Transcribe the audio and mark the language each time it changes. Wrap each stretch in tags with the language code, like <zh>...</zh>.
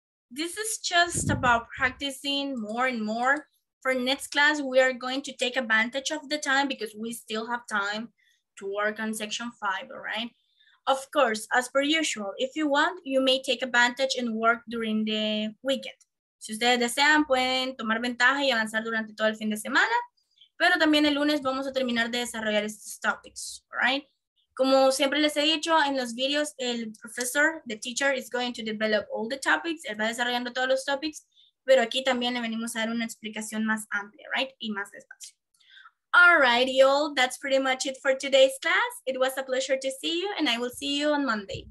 <en>This is just about practicing more and more. For next class, we are going to take advantage of the time because we still have time to work on section five, all right? Of course, as per usual, if you want, you may take advantage and work during the weekend.</en> <es>Si ustedes desean, pueden tomar ventaja y avanzar durante todo el fin de semana. Pero también el lunes vamos a terminar de desarrollar estos topics, right? Como siempre les he dicho en los videos, el profesor,</es> <en>the teacher, is going to develop all the topics.</en> <es>Él va desarrollando todos los topics. Pero aquí también le venimos a dar una explicación más amplia, right? Y más despacio.</es> <en>Alright, y'all, that's pretty much it for today's class. It was a pleasure to see you, and I will see you on Monday.</en>